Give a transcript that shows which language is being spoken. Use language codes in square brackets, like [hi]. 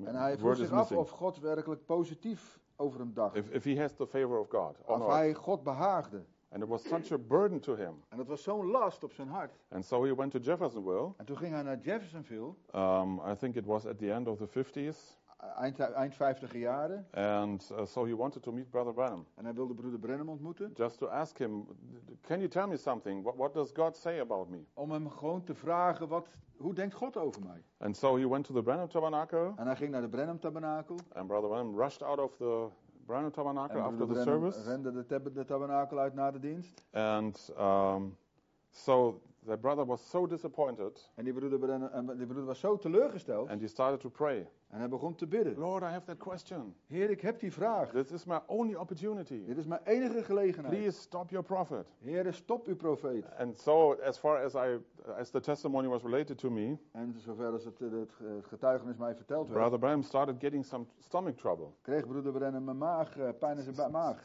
[nl] En hij vroeg zich af of God werkelijk positief over hem dacht. [en] If he has the favor of God or of not. [nl] Of hij God behaagde. [en] And it was such a burden to him. [nl] En het was zo'n last op zijn hart. [en] And so he went to Jeffersonville. [nl] En toen ging hij naar Jeffersonville. [en] I think it was at the end of the 50s. [nl] Eind 50er jaren. [en] And so he wanted to meet Brother Branham. [nl] En hij wilde Broeder Branham ontmoeten. [en] Just to ask him, can you tell me something? What does God say about me? [nl] Om hem gewoon te vragen, hoe denkt God over mij? [en] And so he went to the Branham Tabernacle. [nl] En hij ging naar de Branham Tabernacle. [en] And Brother Branham rushed out of the Branham Tabernacle after the service. [nl] Rende de tabernakel uit na de dienst. [en] And so the brother was so disappointed. [nl] En die broeder was zo teleurgesteld. [en] And he started to pray. [nl] En hij begon te bidden. [en] Lord, I have that question. [nl] Heer, ik heb die vraag. [en] This is my only opportunity. [nl] Dit is mijn enige gelegenheid. [en] Please stop your prophet. [nl] Heer, stop uw profeet. [en] And so as far as as the testimony was related to me. [nl] En zover als het getuigenis mij verteld werd. [en] Brother Branham started getting some stomach trouble. [nl] Kreeg broeder Branham pijn in zijn maag.